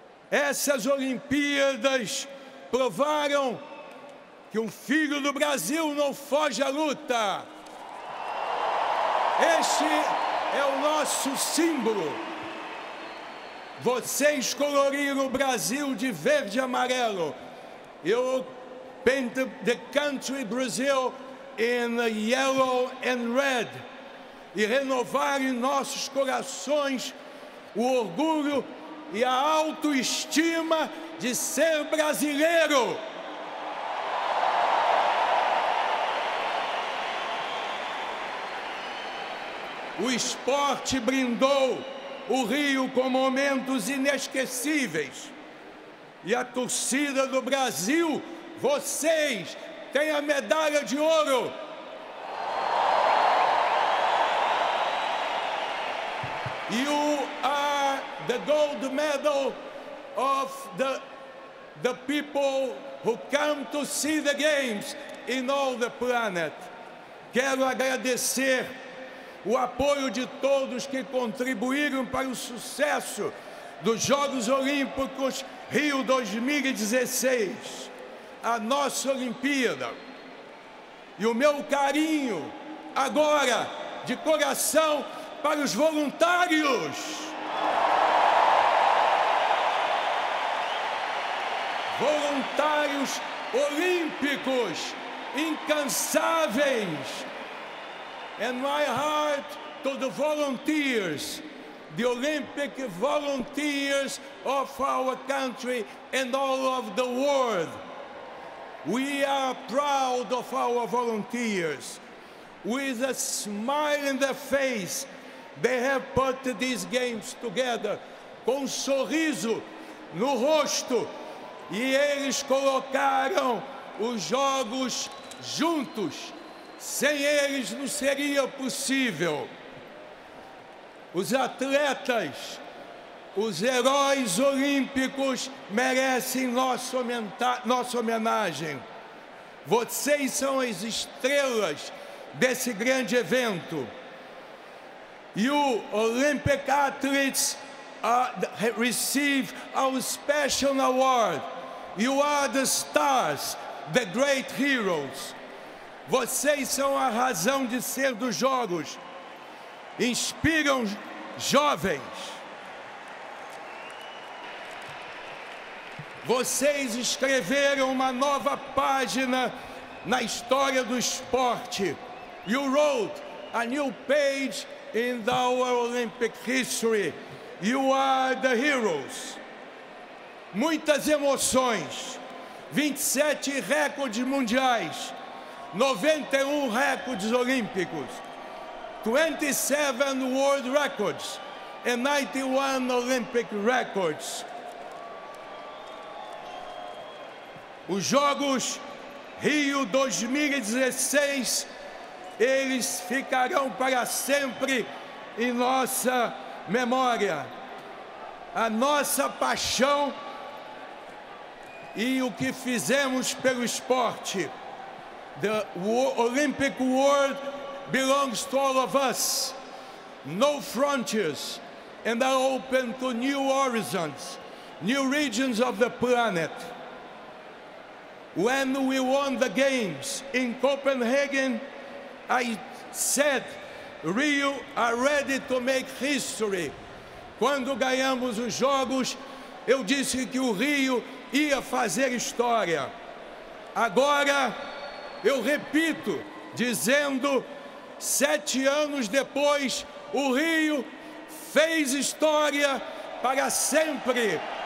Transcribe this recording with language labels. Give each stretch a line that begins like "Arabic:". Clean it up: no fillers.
Portuguese: Essas Olimpíadas provaram que um filho do Brasil não foge à luta. Este é o nosso símbolo. Vocês coloriram o Brasil de verde e amarelo.
English: Eu paint the country Brazil in yellow and red.
Portuguese: E renovar em nossos corações o orgulho e a autoestima de ser brasileiro. O esporte brindou o Rio com momentos inesquecíveis. E a torcida do Brasil, vocês, têm a medalha de ouro.
English: You are the gold medal of the people who come to see the games in all the planet.
Portuguese: Quero agradecer o apoio de todos que contribuíram para o sucesso dos Jogos Olímpicos Rio 2016, a nossa Olimpíada. E o meu carinho agora, de coração, para os voluntários. Voluntários olímpicos, incansáveis.
English: And my heart to the volunteers, the Olympic volunteers of our country and all of the world. We are proud of our volunteers. With a smile in their face, they have put these games together.
Portuguese: Com um sorriso no rosto, e eles colocaram os jogos juntos. Sem eles não seria possível. Os atletas Os heróis olímpicos merecem nossa homenagem. Vocês são as estrelas desse grande evento.
English: You Olympic athletes receive our special award. You are the stars, the great heroes.
Portuguese: Vocês são a razão de ser dos Jogos. Inspiram jovens. Vocês escreveram uma nova página na história do esporte.
English: You wrote a new page in our Olympic history. You are the heroes.
Portuguese: Muitas emoções. 27 recordes mundiais. 91 recordes olímpicos.
English: 27 world records. And 91 Olympic records.
Portuguese: Os Jogos Rio 2016, eles ficarão para sempre em nossa memória. A nossa paixão e o que fizemos pelo esporte.
English: The Olympic world belongs to all of us. No frontiers and are open to new horizons, new regions of the planet. When we won the games in Copenhagen, I said, Rio are ready to make history.
Portuguese: Quando ganhamos os Jogos, eu disse que o Rio ia fazer história. Agora, eu repito, dizendo, 7 anos depois, o Rio fez história para sempre.